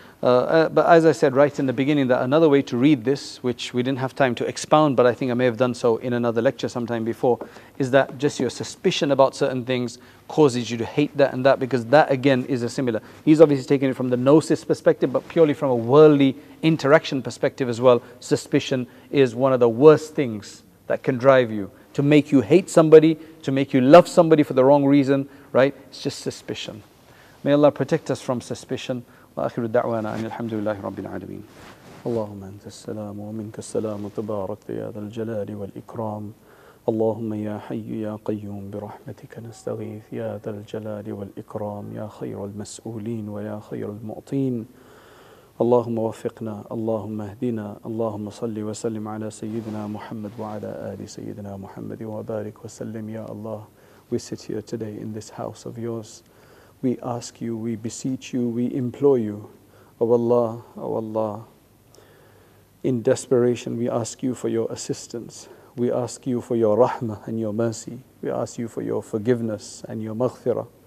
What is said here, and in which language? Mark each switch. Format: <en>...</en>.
<en>But as I said right in the beginning, that another way to read this, which we didn't have time to expound, but I think I may have done so in another lecture sometime before, is that just your suspicion about certain things causes you to hate that and that, because that again is a similar. He's obviously taking it from the gnosis perspective, but purely from a worldly interaction perspective as well. Suspicion is one of the worst things that can drive you, to make you hate somebody, to make you love somebody for the wrong reason, right? It's just suspicion. May Allah protect us from suspicion.</en> <ar>وآخر الدعوانا أن الحمد لله رب العالمين اللهم أنت السلام ومنك السلام تبارك يا ذا الجلال والإكرام اللهم يا حي يا قيوم برحمتك نستغيث يا ذا الجلال والإكرام يا خير المسؤولين ويا خير المعطين اللهم وفقنا اللهم اهدنا اللهم صل وسلم على سيدنا محمد وعلى آل سيدنا محمد وبارك وسلم يا الله.</ar> <en>We sit here today in this house of yours. We ask you, we beseech you, we implore you, O Allah, in desperation we ask you for your assistance. We ask you for your rahmah and your mercy. We ask you for your forgiveness and your maghfirah.</en>